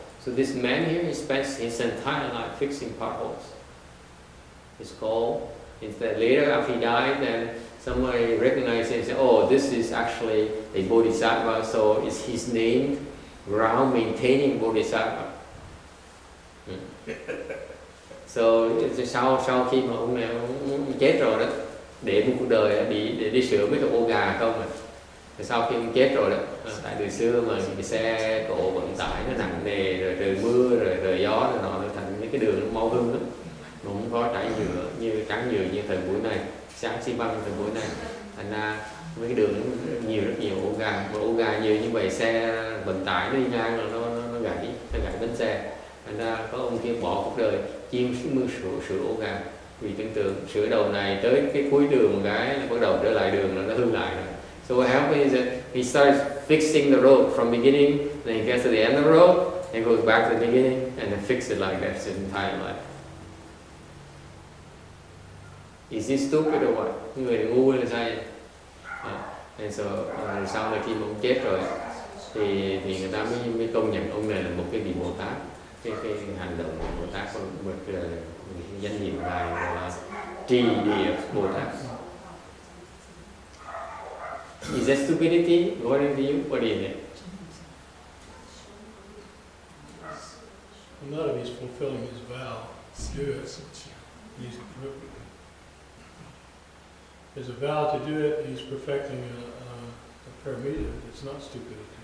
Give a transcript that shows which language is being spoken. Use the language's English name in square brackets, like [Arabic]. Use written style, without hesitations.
[English] So this man here, he spends his entire life fixing potholes. It's called, instead later after he died, then somebody recognized him and said, oh, this is actually a bodhisattva, so it's his name, ground maintaining bodhisattva. [Vietnamese] So sau khi mà ông này chết rồi đó, để một cuộc đời đi sửa mấy cái ô gà không à. Sau khi ông chết rồi đó, tại từ xưa mà xe cộ vận tải nó nặng nề, rồi trời mưa, rồi gió, nó thành mấy cái đường nó mau hưng lắm. Nó không có trải nhựa, như trắng nhựa như thời buổi này. Sáng xi băng từ buổi này thành ra mấy cái đường nhiều rất nhiều ổ gà nhiều như vậy, xe vận tải nó đi ngang là nó gãy bánh xe, thành ra có ông kia bỏ cuộc đời chim mưa sửa ổ gà, vì tưởng tượng sửa đầu này tới cái cuối đường một cái nó bắt đầu trở lại đường là nó hư lại rồi. [English] So what happens is that he starts fixing the road from beginning, then he gets to the end of the road and goes back to the beginning and then fix it like that his entire life. Is he stupid or what? [Vietnamese] Người ngu hay là sai? And so sau này khi mà ông chết rồi thì người ta mới công nhận ông này là một cái vị Bồ Tát. Cái hành động của Bồ Tát có một cái danh hiệu là Tri Địa Bồ Tát. [English] the stupidity, what is you, what is it? Well, not if he's fulfilling his vow to do it, since he's perfect. There's a vow to do it, he's perfecting a paramita, it's not stupidity.